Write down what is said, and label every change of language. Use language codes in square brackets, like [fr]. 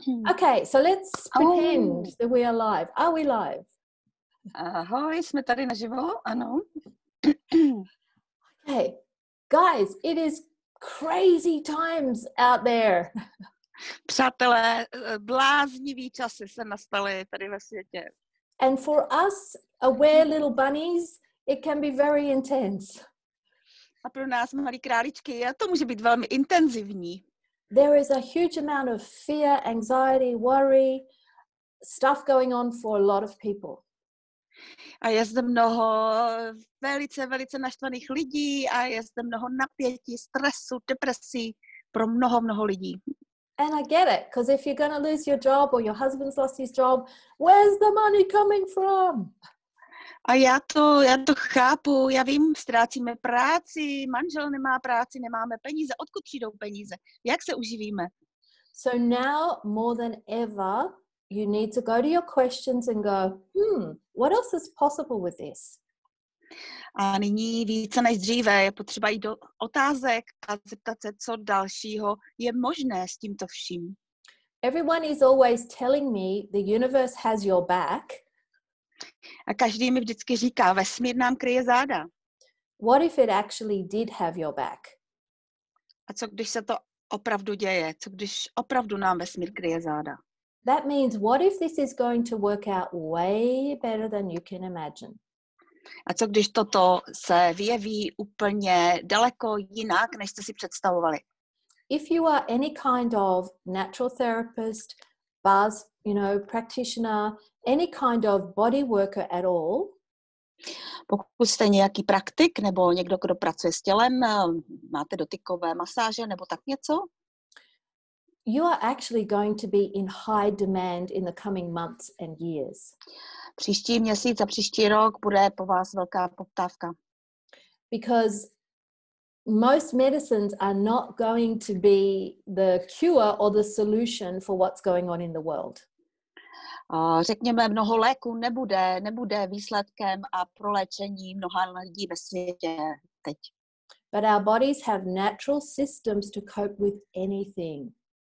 [en] Okay, so let's pretend that we are live. Are we live? [cs] Ahoj, jsme tady naživo, ano. [en] Okay, guys, it is crazy times out there. [cs] Přátelé, bláznivý časy se nastaly tady ve světě. [en] And for us, aware little bunnies, it can be very intense. [cs] A pro nás, malí králičky, to může být velmi intenzivní. [en] There is a huge amount of fear, anxiety, worry, stuff going on for a lot of people. [cs] A je zde mnoho velice, velice naštvaných lidí a je zde mnoho napětí, stresu, depresí pro mnoho, mnoho lidí. [en] And I get it, because if you're going to lose your job or your husband's lost his job, where's the money coming from? [cs] A já to chápu, já vím, ztrácíme práci, manžel nemá práci, nemáme peníze, odkud přijdou peníze, jak se uživíme? [en] So now, more than ever, you need to go to your questions and go, what else is possible with this? [cs] A nyní více než dříve je potřeba jít do otázek a zeptat se, co dalšího je možné s tímto vším. [en] Everyone is always telling me the universe has your back. [cs] A každý mi vždycky říká, vesmír nám kryje záda. [en] What if it actually did have your back? [cs] A co když se to opravdu děje? Co když opravdu nám vesmír kryje záda? [en] That means what if this is going to work out way better than you can imagine? [cs] A co když toto se vyjeví úplně daleko jinak, než jste si představovali? [en] If you are any kind of natural therapist, buzz, you know, practitioner, any kind of body worker at all. [cs] Pokud jste nějaký praktik nebo někdo, kdo pracuje s tělem, máte dotykové masáže nebo tak něco? [en] You are actually going to be in high demand in the coming months and years. [cs] Příští měsíc a příští rok bude po vás velká poptávka. [en] Because most medicines are not going to be the cure or the solution for what's going on in the world. [cs] Řekněme, mnoho léků nebude výsledkem a proléčení mnoha lidí ve světě teď. [en] But our bodies have natural systems to cope with anything.